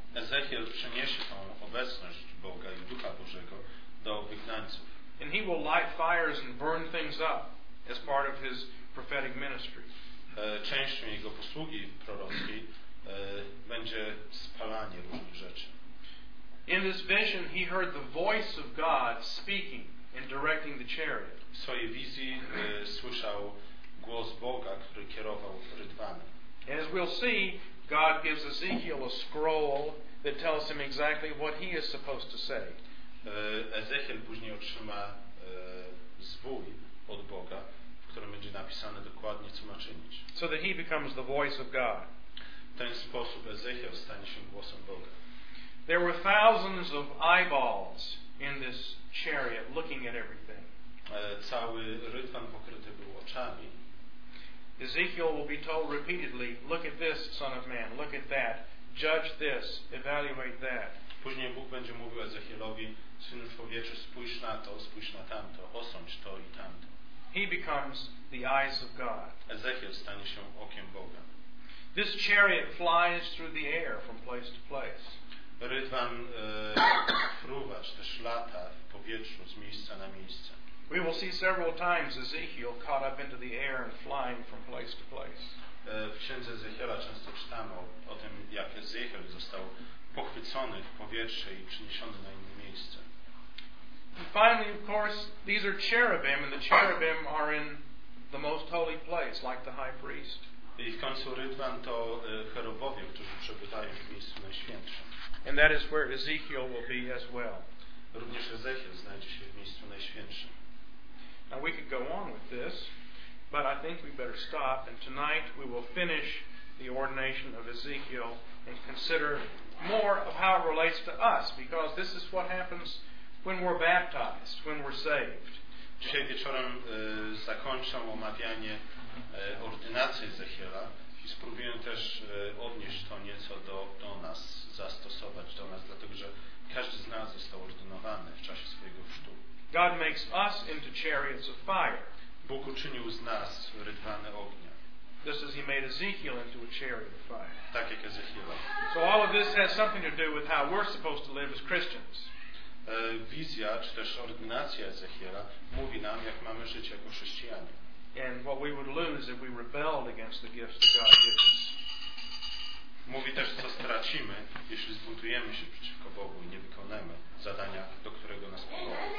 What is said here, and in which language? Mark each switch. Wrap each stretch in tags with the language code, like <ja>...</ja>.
<pl>Ezechiel przeniesie tą obecność Boga i Ducha Bożego do wygnańców.</pl> <en>And he will light fires and burn things up as part of his prophetic ministry.</en> <pl>Częścią jego posługi prorockiej będzie spalanie różnych rzeczy.</pl> <en>In this vision he heard the voice of God speaking and directing the chariot.</en> <pl>W swojej wizji słyszał głos Boga, który kierował rydwanem.</pl> <en>As we'll see, God gives Ezekiel a scroll that tells him exactly what he is supposed to say.</en> <pl>Ezechiel później otrzyma zwój od Boga, w którym będzie napisane dokładnie, co ma czynić.</pl> <en>So that he becomes the voice of God.</en> <pl>W ten sposób Ezechiel stanie się głosem Boga.</pl> <en>There were thousands of eyeballs in this chariot looking at everything.</en> <pl>Cały rytwan pokryty był oczami.</pl> <en>Ezekiel will be told repeatedly, look at this, son of man, look at that, judge this, evaluate that.</en> <pl>Później Bóg będzie mówił Ezechielowi, synu człowieczy, spójrz na tamto, osądź to i tamto.</pl> <en>He becomes the eyes of God.</en> <pl>Ezechiel stanie się okiem Boga.</pl> <en>This chariot flies through the air from place to place.</en> <pl>Rytwan fruwa, czy też lata w powietrzu z miejsca na miejsce.</pl> <en>We will see several times Ezekiel caught up into the air and flying from place to place.</en> <pl>W księdze Ezechiela często czytamy o tym, jak Ezechiel został pochwycony w powietrze i przeniesiony na inne miejsce.</pl> <en>And finally, of course, these are cherubim, and the cherubim are in the most holy place, like the high priest.</en> <pl>I w końcu rytwan to cherubowie, którzy przebywają w miejscu najświętszym.</pl> <en>And that is where Ezekiel will be as well.</en> <pl>Również Ezechiel znajdzie się w miejscu najświętszym.</pl> <en>Now we could go on with this, but I think we better stop, and tonight we will finish the ordination of Ezekiel and consider more of how it relates to us, because this is what happens when we're baptized, when we're saved.</en> <pl>Dzisiaj wieczorem zakończę omawianie ordynacji Ezechiela i spróbuję też odnieść to nieco do nas, zastosować do nas, dlatego że każdy z nas został ordynowany w czasie swojego chrztu.</pl> <en>God makes us into chariots of fire.</en> <pl>Bóg uczynił z nas rytwany ognia.</pl> <en>Just as he made Ezekiel into a chariot of fire.</en> <pl>Tak jak Ezechiela.</pl> <en>So all of this has something to do with how we're supposed to live as Christians.</en> <pl>Wizja, czy też ordynacja Ezechiela, mówi nam, jak mamy żyć jako chrześcijanie.</pl> <en>And what we would lose if we rebelled against the gifts that God gives us.</en> <pl>Mówi też, co stracimy, jeśli zbuntujemy się przeciwko Bogu i nie wykonamy zadania, do którego nas powołał.</pl>